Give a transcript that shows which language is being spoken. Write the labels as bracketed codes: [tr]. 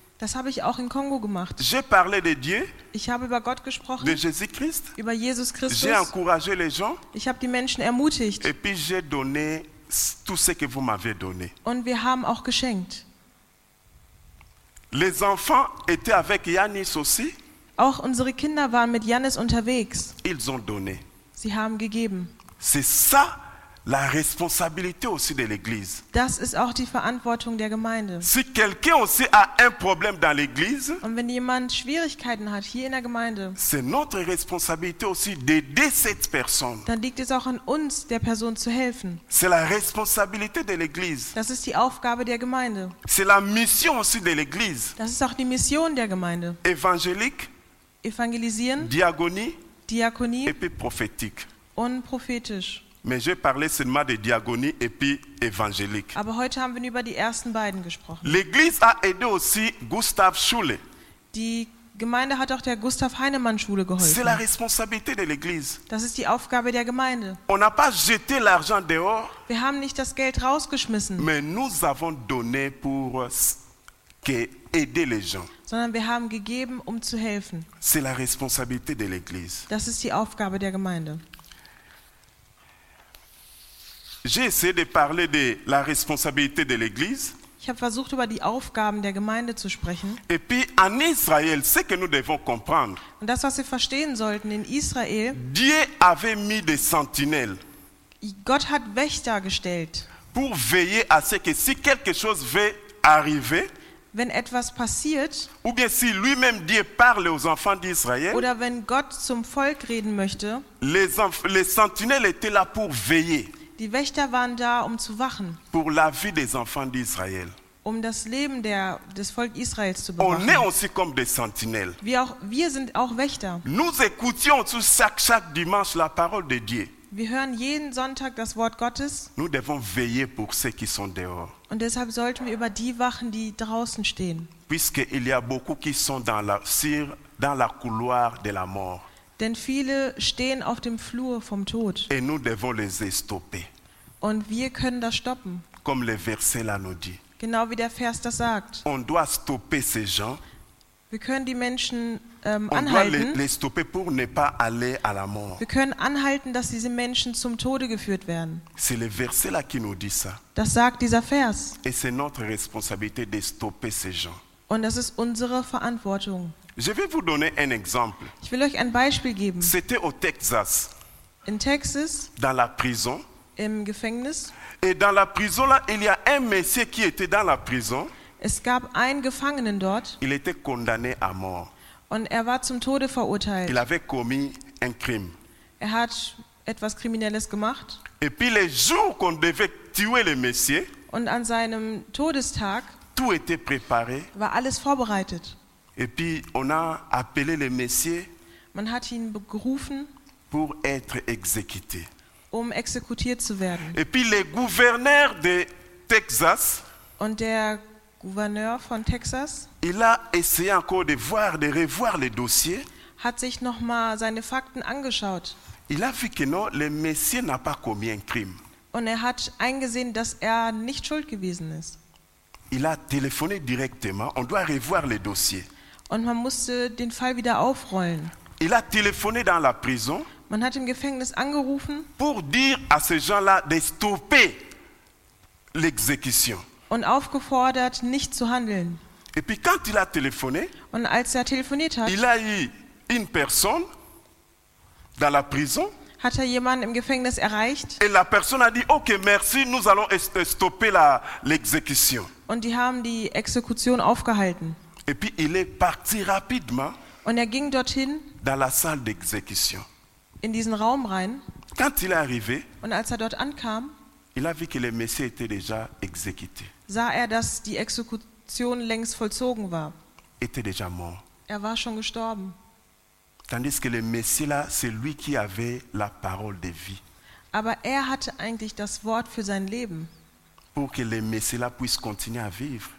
[de] Das habe ich auch in Kongo gemacht. [fr] J'ai parlé de Dieu, [de] ich habe über Gott gesprochen, [fr] de Jésus-Christ, [de] über Jesus Christus. [fr] J'ai encouragé les gens, [de] ich habe die Menschen ermutigt. [fr] Et puis j'ai donné tout ce que vous m'avez donné. [de] Und wir haben auch geschenkt. [fr] Les enfants étaient avec Yannis aussi. [de] Auch unsere Kinder waren mit Yannis unterwegs. [fr] Ils ont donné. [de] Sie haben gegeben. [fr] C'est ça la responsabilité aussi de l'église. [de] Das ist auch die Verantwortung der Gemeinde. [fr] Si quelqu'un aussi a un problème dans l'église, [de] und wenn jemand Schwierigkeiten hat hier in der Gemeinde, [fr] c'est notre responsabilité aussi d'aider cette personne. [de] Dann liegt es auch an uns, der Person zu helfen. [fr] C'est la responsabilité de l'église. [de] Das ist die Aufgabe der Gemeinde. [fr] C'est la mission aussi de l'église. [de] Das ist auch die Mission der Gemeinde. [fr] Évangélique, [de] evangelisieren, Diakonie [fr] et puis prophétique. [de] Und prophetisch. [fr] Mais j'ai parlé seulement de diagonie et puis évangélique. [de] Aber heute haben wir über die ersten beiden gesprochen. [fr] L'église a aidé aussi Gustav Schule. [de] Die Gemeinde hat auch der Gustav Heinemann Schule geholfen. [fr] C'est la responsabilité de l'église. [de] Das ist die Aufgabe der Gemeinde. [fr] On n'a pas jeté l'argent dehors. [de] Wir haben nicht das Geld rausgeschmissen. [fr] Mais nous avons donné pour aider les gens. [de] Sondern wir haben gegeben, um zu helfen. [fr] C'est la responsabilité de l'église. [de] Das ist die Aufgabe der Gemeinde. [fr] J'ai essayé de parler de la responsabilité de l'église. [de] Ich habe versucht, über die Aufgaben der Gemeinde zu sprechen. [fr] Et puis en Israël, ce que nous devons comprendre. [de] Und das, was wir verstehen sollten in Israel. [fr] Dieu avait mis des sentinelles. [de] Gott hat Wächter gestellt. [fr] Pour veiller à ce que si quelque chose veut arriver. [de] Wenn etwas passiert. [fr] Ou bien si lui-même Dieu parle aux enfants d'Israël. [de] Oder wenn Gott zum Volk reden möchte. [fr] Les sentinelles étaient là pour veiller. [de] Die Wächter waren da, um zu wachen. [fr] Pour la vie des enfants d'Israël. [de] Um das Leben des Volkes Israels zu bewachen. [fr] On est aussi comme des sentinelles. [de] Wir sind auch Wächter. [fr] Nous écoutions tous chaque dimanche la parole de Dieu. [de] Wir hören jeden Sonntag das Wort Gottes. [fr] Nous devons veiller pour ceux qui sont dehors. [de] Und deshalb sollten wir über die wachen, die draußen stehen. [fr] Puisque il y a beaucoup qui sont dans la couloir de la mort. [de] Denn viele stehen auf dem Flur vom Tod. [fr] Et nous devons les stopper. [de] Und wir können das stoppen. [fr] Comme le verset là nous dit. [de] Genau wie der Vers das sagt. [fr] On doit stopper ces gens. [de] Wir können die Menschen anhalten. Wir können anhalten, dass diese Menschen zum Tode geführt werden. [fr] C'est le verset là qui nous dit ça. [de] Das sagt dieser Vers. [fr] Et c'est notre responsabilité de stopper ces gens. [de] Und das ist unsere Verantwortung. [fr] Je vais vous donner un exemple. [de] Ich will euch ein Beispiel geben. [fr] C'était au Texas. [de] In Texas. [fr] Dans la prison. [de] Im Gefängnis. [fr] Et dans la prison là, il y a un monsieur qui était dans la prison. [de] Es gab einen Gefangenen dort. [fr] Il était condamné à mort. [de] Und war zum Tode verurteilt. [fr] Il avait commis un crime. [de] Hat etwas Kriminelles gemacht. [fr] Et puis les jours qu'on devait tuer le monsieur. [de] Und an seinem Todestag. [fr] Tout était préparé. [de] War alles vorbereitet. [fr] Et puis on a appelé le monsieur. [de] Man hat ihn berufen, [fr] pour être exécuté. [de] Um exekutiert zu werden. [fr] Et puis le gouverneur de Texas. [de] Und der Gouverneur von Texas. [fr] Il a essayé encore de voir, de revoir le dossier. [de] Hat sich noch mal seine Fakten angeschaut. [fr] Il a vu que non, le monsieur n'a pas commis un crime. [de] Und hat eingesehen, dass nicht schuld gewesen ist. [fr] Il a téléphoné directement. On doit revoir le dossier. [de] Und man musste den Fall wieder aufrollen. [fr] Il a téléphoné dans la prison. [de] Man hat im Gefängnis angerufen. [fr] Pour dire à ces gens-là de stopper l'exécution. [de] Und aufgefordert, nicht zu handeln. [fr] Et puis quand il a téléphoné, [de] und als telefoniert hat, [fr] il a eu une personne dans la prison. [de] Hat jemanden im Gefängnis erreicht. [fr] Et la personne a dit, ok, merci, nous allons stopper l'exécution. [de] Und die haben die Exekution aufgehalten. [fr] Et puis il est parti rapidement. [de] Und ging dorthin. [fr] Dans la salle d'exécution. [de] In diesen Raum rein. [fr] Quand il est arrivé. [de] Und als dort ankam. [fr] Il a vu que le monsieur était déjà exécuté. [de] Sah dass die Exekution längst vollzogen war. [fr] Était déjà mort. [de] War schon gestorben. [fr] Tandis que le monsieur là, c'est lui qui avait la parole de vie. [de] Aber hatte eigentlich das Wort für sein Leben. [fr] Pour que le Messie là puisse continuer à vivre.